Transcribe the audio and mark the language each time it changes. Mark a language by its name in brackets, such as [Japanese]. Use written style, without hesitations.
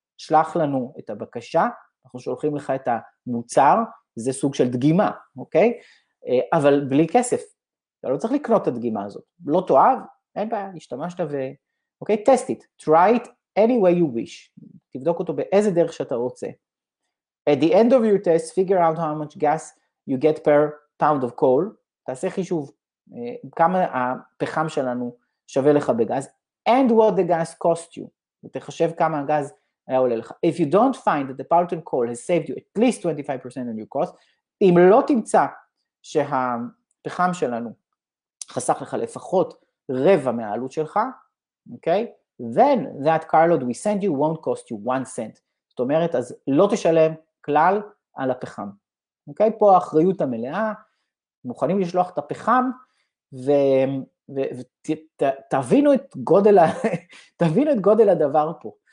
[Hebrew] שלח לנו את הבקשה, אנחנו שולחים לך את המוצר, זה סוג של דגימה, אוקיי? אבל בלי כסף. אתה לא צריך לקנות את הדגימה הזאת. לא תאהב, אין בעיה, השתמשת ו... אוקיי? [English] Test it. Try it any way you wish. [Hebrew] תבדוק אותו באיזה דרך שאתה רוצה. [English] At the end of your test, figure out how much gas you get per pound of coal. [Hebrew] תעשה חישוב כמה הפחם שלנו שווה לך בגז. [English] And what the gas cost you. [Hebrew] ותחשב כמה הגז... [English] If you don't find that the Powerton coal has saved you at least 25% on your cost, [Hebrew] אם לא תמצא שהפחם שלנו חסך לך לפחות רבע מהעלות שלך, [English] okay, then that carload we send you won't cost you one cent. [Hebrew] זאת אומרת, אז לא תשלם כלל על הפחם. Okay, פה האחריות המלאה, מוכנים לשלוח את הפחם, ותבינו את גודל תבינו את גודל הדבר פה.